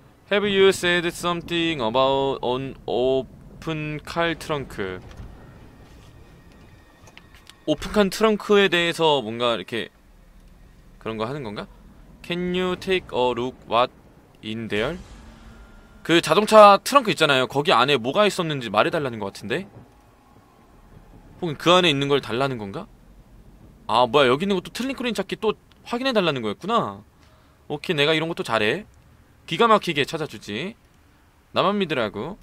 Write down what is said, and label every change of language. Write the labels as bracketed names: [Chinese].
[English] Have you said something about an open car trunk? [Korean] 오픈칸 트렁크에 대해서 뭔가 이렇게 그런 거 하는 건가? [English] Can you take a look what in there? [Korean] 그 자동차 트렁크 있잖아요. 거기 안에 뭐가 있었는지 말해달라는 것 같은데? 혹은 그 안에 있는 걸 달라는 건가? 아 뭐야 여기 있는 것도 틀린 그림 찾기 또 확인해달라는 거였구나. 오케이 내가 이런 것도 잘해. 기가 막히게 찾아주지. 나만 믿으라고.